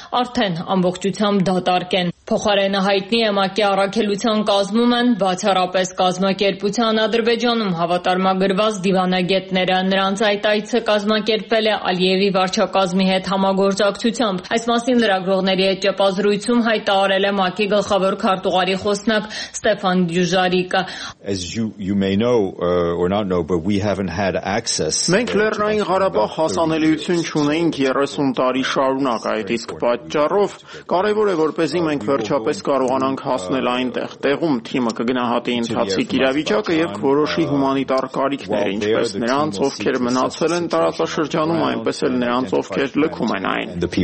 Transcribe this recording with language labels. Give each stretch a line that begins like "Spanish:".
Armenian: արդեն ամբողջությամբ դատարկ են։ Փոխարենը հայտնի է, ՄԱԿ-ի առաքելության կազմում են բացառապես կազմակերպության Ադրբեջանում հավատարմագրված դիվանագետները։ Նրանց այդ այցը կազմակերպվել է Ալիևի վարչակազմի հետ համագործակցությամբ։ Այս մասին լրագրողների հետ ճապազրույցում հայտարարել է ՄԱԿ-ի գլխավոր քարտուղարի խոսնակ Ստեփան Դյուժարիկը։
English: As you may know or not know, but we haven't had access.
Armenian: Մենք Լեռնային Ղարաբաղ հասանելիություն չունեինք 30 տարի շարունակ, այդ իսկ պատճառով կարևոր է, որպեսզի մենք վերջապես կարողանանք հասնել այնտեղ։ Տեղում թիմը կգնահատի ընթացիկ իրավիճակը եւ որոշի հումանիտար կարիքները, ինչպես նրանց, ովքեր մնացել են տարածաշրջանում, այնպես էլ նրանց, ովքեր լքում են այն։